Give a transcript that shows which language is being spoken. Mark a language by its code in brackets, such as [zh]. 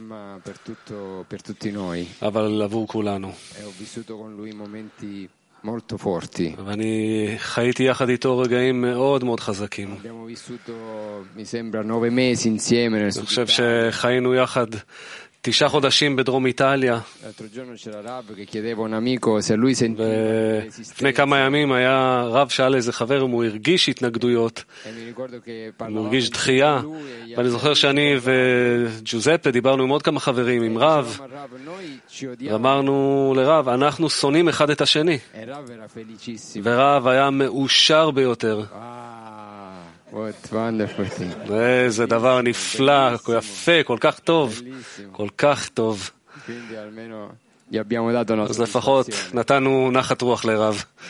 [it] Ma per tutto per tutti noi. [he] אבל עבור כולנו. [it] E ho vissuto con lui momenti molto forti. [he] ואני חייתי יחד איתו רגעים מאוד מאוד חזקים. [it] Abbiamo vissuto mi sembra 9 mesi insieme nel sud. [he] חושב שחיינו יחד 9 חודשים בדרום איטליה. [it] L'altro giorno c'era Rav che chiedeva un amico se lui sentiva resistenza. [he] לפני כמה ימים היה רב שאל איזה חבר אם הוא הרגיש התנגדויות. מרגיש דחייה. ואני זוכר שאני וג'וזפה דיברנו עם עוד כמה חברים, עם רב. ואמרנו לרב, אנחנו שונאים אחד את השני. ורב היה מאושר ביותר. [en] What wonderful thing. [he] איזה דבר נפלא, כל יפה, כל כך טוב. כל כך טוב. [it] Quindi almeno gli abbiamo dato una. [he] אז לפחות נתנו נחת רוח לרב.